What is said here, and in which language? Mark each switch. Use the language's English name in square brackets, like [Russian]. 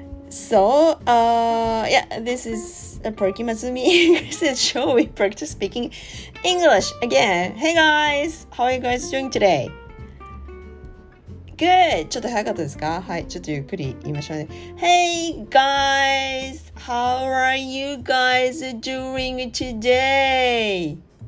[English] So, yeah, this is a Perky Matsumi English show. We practice speaking English again. Hey guys, how are you guys doing today? Good. [Japanese] ちょっと早かったですか？はい、ちょっとゆっくり言いましょうね。 [English] Hey guys, how are you guys doing today?